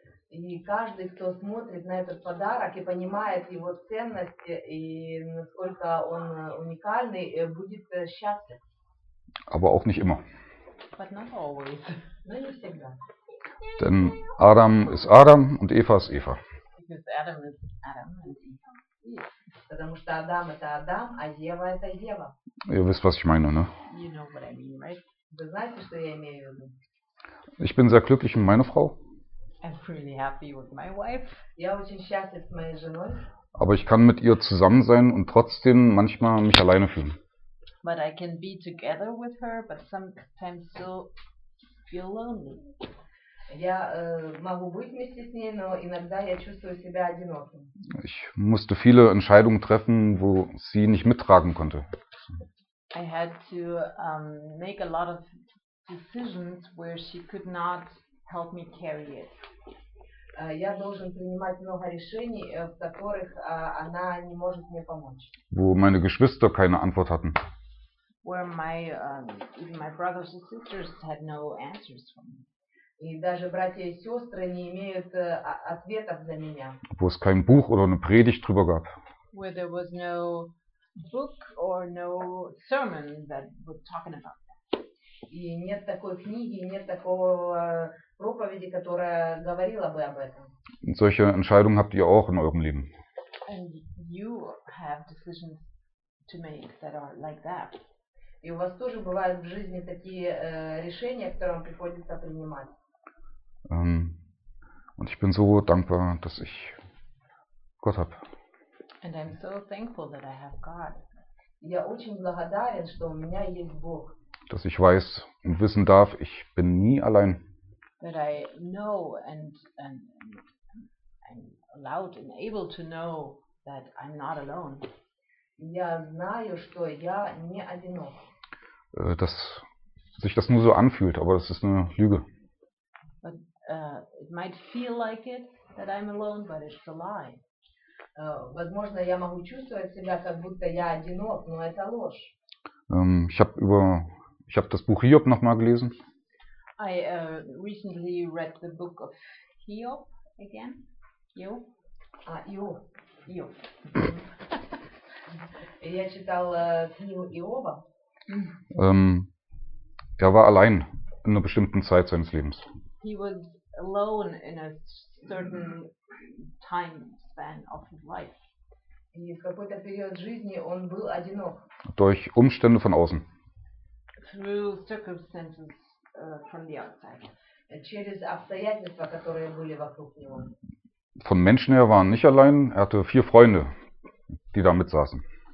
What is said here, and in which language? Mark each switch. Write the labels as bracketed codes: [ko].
[ru] И каждый, кто смотрит на этот подарок и понимает его ценность и насколько он уникальный, будет счастлив. [de] Aber auch nicht immer. [en] But not always. [ru] Но не всегда. [de] Denn Adam ist Adam und Eva ist Eva. [en] Adam is Adam and Eva. Yes. [ru] Потому что Адам это Адам, а Ева это Ева. [de] Ihr wisst, was ich meine, ne? [en] You know what I mean, right? [ru] Вы знаете, что я имею в виду? [de] Ich bin sehr glücklich mit meiner Frau. [en] I'm really happy with my wife. [ru] Я очень счастлив с моей женой. [de] Aber ich kann mit ihr zusammen sein und trotzdem manchmal mich alleine fühlen. [en] But I can be together with her, but sometimes still feel lonely. [ru] Я могу быть вместе с ней, но иногда я чувствую себя одиноким. [de] Ich musste viele Entscheidungen treffen, wo sie nicht mittragen konnte. [en] I had to make a lot of decisions where she could not help me carry it. [ru] Я должен принимать много решений, в которых она не может мне помочь. [de] Wo meine Geschwister keine Antwort hatten. [en] Where my even my brothers and sisters had no answers for me. [ru] И даже братья и сестры не имеют ответов для меня. [de] Wo es kein Buch oder eine Predigt drüber gab. [en] Where there was no book or no sermon that was talking about that. [ru] И нет такой книги, нет такого проповеди, которая говорила бы об этом. [de] Und solche Entscheidungen habt ihr auch in eurem Leben. [en] And you have decisions to make that are like that. [ru] И у вас тоже бывают в жизни такие решения, которые вам приходится принимать. [de] Und ich bin so dankbar, dass ich Gott habe. [en] And I'm so thankful that I have God. [ru] Я очень благодарен, что у меня есть Бог. [de] Dass ich weiß und wissen darf, ich bin nie allein. [en] That I know and I'm allowed and able to know that I'm not alone. [ru] Я знаю, что я не одинок. [de] Dass sich das nur so anfühlt, aber das ist eine Lüge. [en] It might feel like it that I'm alone, but it's a lie. [ru] Возможно, я могу чувствовать себя как будто я одинок, но это ложь. [de] Ich hab das Buch Hiob nochmal gelesen. [en] I recently read the book of Hiob again. Hiob. [ru] Я читал книгу Иова. [de] Er war allein in einer bestimmten Zeit seines Lebens. [en] He was alone in a certain time span of his life. [ru] И в какой-то период жизни он был одинок. [de] Durch Umstände von außen. [en] Through circumstances from the outside. [ru] Через обстоятельства, которые были вокруг него. [de] Von Menschen her war er nicht allein. Er hatte vier Freunde, die da mitsaßen.